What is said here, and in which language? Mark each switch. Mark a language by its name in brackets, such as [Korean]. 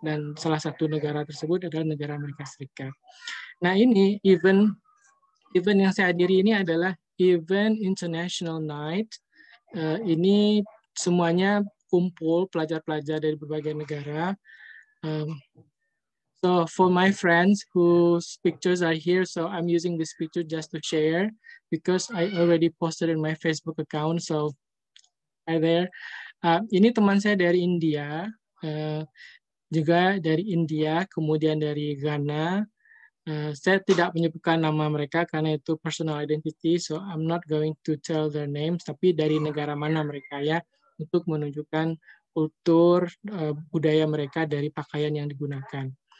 [Indonesian] Dan salah satu negara tersebut adalah negara Amerika Serikat. Nah, ini event yang saya hadiri ini adalah Event International Night. Ini semuanya kumpul pelajar-pelajar dari berbagai negara. [English] So for my friends whose pictures are here, so I'm using this picture just to share because I already posted in my Facebook account. So hi there. [Indonesian] Ini teman saya dari India, juga dari India, kemudian dari Ghana. Saya tidak menyebutkan nama mereka karena itu personal identity, [English] so I'm not going to tell their names, [Indonesian] tapi dari negara mana mereka, ya, untuk menunjukkan kultur, budaya mereka dari pakaian yang digunakan.